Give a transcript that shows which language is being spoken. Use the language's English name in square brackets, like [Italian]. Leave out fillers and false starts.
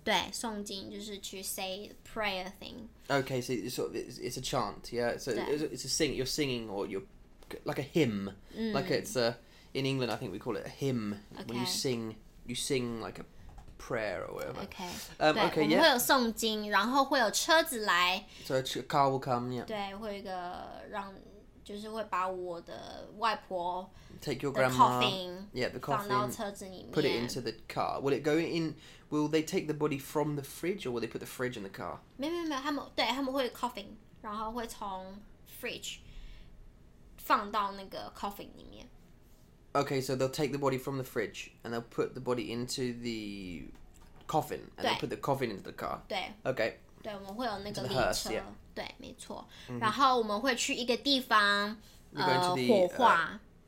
[Chinese] 对，诵经就是 [English] to say the prayer thing. Okay, so it's sort of it's a chant, yeah. So it's a sing. You're singing or you're like a hymn. Like it's a in England, I think we call it a hymn. Okay. When you sing like a prayer or whatever. Okay. Okay. Yeah. [Chinese] 我们会有诵经，然后会有车子来。 [English] So a car will come. Yeah. [Chinese] 对，会有一个让就是会把我的外婆。 [English] Take your grandma. The coffin. Yeah, the coffin. [Chinese] 放到车子里面。 [English] Put it into the car. Will it go in? Will they take the body from the fridge, or will they put the fridge in the car? [Chinese] 没有没有，他们对他们会 coughing， 然后会从 fridge 放到那个 coffin 里面。 [English] Okay, so they'll take the body from the fridge and they'll put the body into the coffin and they'll put the coffin into the car. [Chinese] 对。 [English] Okay. [Chinese] 对，我们会有那个列车。 [English] Into the hearse, yeah. [Chinese] 对，没错。Mm-hmm. 然后我们会去一个地方，火化。